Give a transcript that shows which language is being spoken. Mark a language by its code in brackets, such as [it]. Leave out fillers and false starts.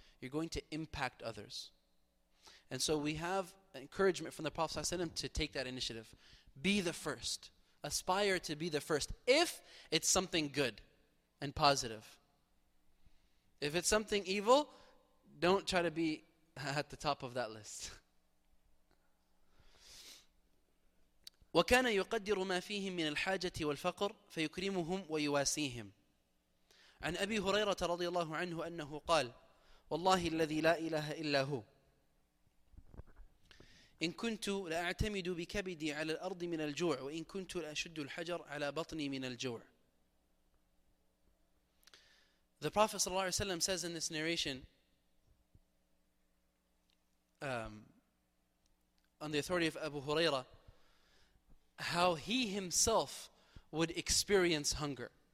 [en] You're going to impact others. And so we have encouragement from the Prophet ﷺ to take that initiative. Be the first. Aspire to be the first. If it's something good and positive. If it's something evil, don't try to be at the top of that list. [ar] وَكَانَ يُقَدِّرُ مَا فِيهِمْ مِنَ الْحَاجَةِ وَالْفَقْرِ فَيُكْرِمُهُمْ وَيُوَاسِيهِمْ عَنْ أَبِي هُرَيْرَةَ رَضِيَ اللَّهُ عَنْهُ أَنَّهُ قَالَ وَاللَّهِ الَّذِي لَا إِلَهَ إِلَّا هُوَ إن كنت لأعتمد بكبدي على الأرض من الجوع وإن كنت لأشد الحجر على بطني من الجوع. [en] The Prophet صلى الله عليه وسلم says in this narration, on the authority of Abu Huraira, how he himself would experience hunger.